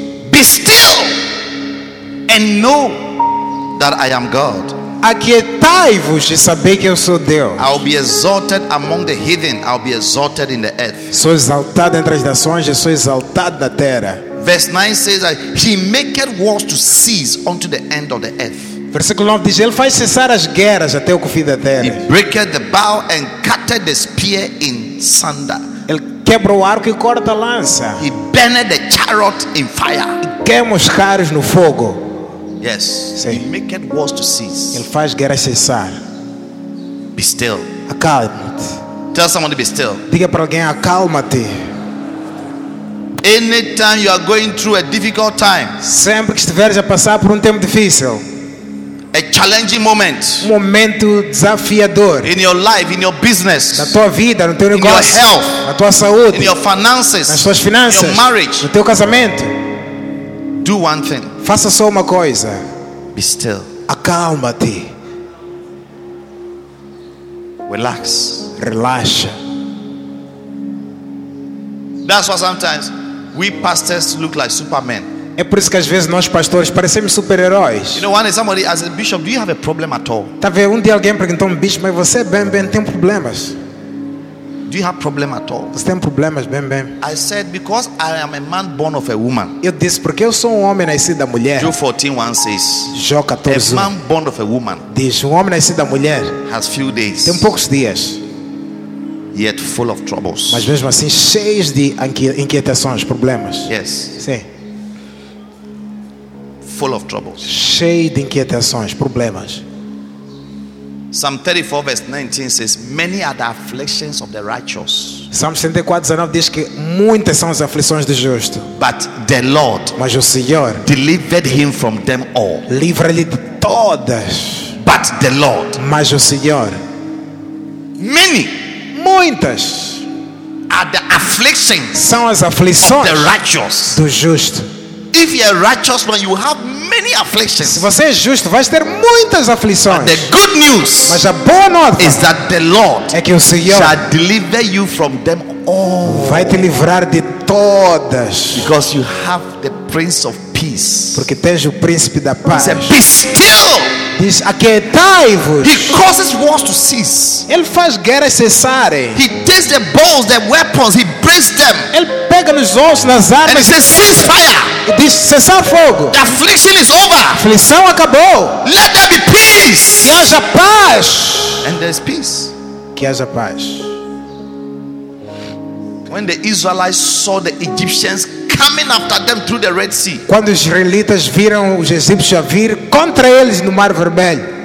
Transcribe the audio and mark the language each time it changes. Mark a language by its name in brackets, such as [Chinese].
[English] Be still and know that I am God. [Portuguese] Aquietai-vos e sabei que eu sou Deus. [English] I'll be exalted among the heathen, I'll be exalted in the earth. [Portuguese] Sou exaltado entre as nações, eu sou exaltado na terra. [English] Verse 9 says that he maketh wars to cease unto the end of the earth. [Portuguese] Versículo 9 diz: ele faz cessar as guerras até o fim da terra. [English] He breaketh the bow and cutteth the spear in sunder. [Portuguese] Ele quebra o arco e corta a lança. [English] He burneth the chariot in fire. [Portuguese] E queima os carros no fogo. [English] Yes. [Portuguese] Sim. [English] He maketh wars to cease. [Portuguese] Ele faz guerras cessar. [English] Be still. [Portuguese] Acalma-te. [English] Tell someone to be still. [Portuguese] Diga para alguém: acalma-te. [English] Anytime you are going through a difficult time. [Portuguese] Sempre que estiveres a passar por um tempo difícil. [English] A challenging moment. [Portuguese] Um momento desafiador. [English] In your life, in your business. [Portuguese] Na tua vida, no teu negócio. [English] In your health. [Portuguese] Na tua saúde. [English] In your finances. [Portuguese] Nas tuas finanças. [English] In your marriage. [Portuguese] No teu casamento. [English] Do one thing. [Portuguese] Faça só uma coisa. [English] Be still. [Portuguese] Acalma-te. [English] Relax. [Portuguese] Relaxa. [English] That's why sometimes we pastors look like supermen. [Portuguese] É por isso que às vezes nós pastores parecemos super-heróis. [English] You know, one day somebody asked, Bishop, do you have a problem at all? [Portuguese] Tá vendo? Um dia alguém perguntou: Bishop, mas você bem tem problemas? [English] Do you have problem at all? [Portuguese] Você tem problemas bem? [English] I said because I am a man born of a woman. [Portuguese] Eu disse porque eu sou um homem nascido da mulher. [English] Job 14:1 says. [Portuguese] Jó 14. [English] A man born of a woman. [Portuguese] Diz um homem nascido da mulher. [English] Has few days. [Portuguese] Tem poucos dias. [English] Yet full of troubles. [Portuguese] Mas mesmo assim cheios de inquietações, problemas. [English] Yes. [Portuguese] Sim. [English] Full of troubles. [Portuguese] Cheio de inquietações, problemas. [English] Psalm 34 verse 19 says, many are the afflictions of the righteous. [Portuguese] Salmo 34:19 diz que muitas são as aflições do justo. [English] But the Lord, [Portuguese] mas o Senhor, [English] delivered him from them all. [Portuguese] Livra-lhe de todas. [English] But the Lord, [Portuguese] mas o Senhor. [English] Many, [Portuguese] muitas [English] are the afflictions, [Portuguese] são as aflições [English] of the righteous, [Portuguese] do justo. [English] If you are righteous, man, you have many afflictions. [Portuguese] Se você é justo, vai ter muitas aflições. [English] But the good news, [Portuguese] mas a boa nota, [English] is that the Lord, [Portuguese] é que o Senhor, [English] shall deliver you from them all. [Portuguese] Vai te livrar de todas. [English] Because you have the Prince of Peace. [Portuguese] Porque tens o Príncipe da Paz. [English] He said, "Be still." [Portuguese] Diz: aquietai-vos. [English] He causes wars to cease. [Portuguese] Ele faz guerras cessarem. [English] He takes the bows, the weapons. He breaks them. [Portuguese] Ele pega nos ossos, nas armas. [English] And he says, "Cease fire." [Portuguese] E diz: cessar fogo. [English] The affliction is over. [Portuguese] A aflição acabou. [English] Let there be peace. [Portuguese] Que haja paz. [English] And there's peace. [Portuguese] Que haja paz. [English] When the Israelites saw the Egyptians coming after them through the Red Sea. [Portuguese] Quando os israelitas viram os egípcios a vir contra eles no Mar Vermelho.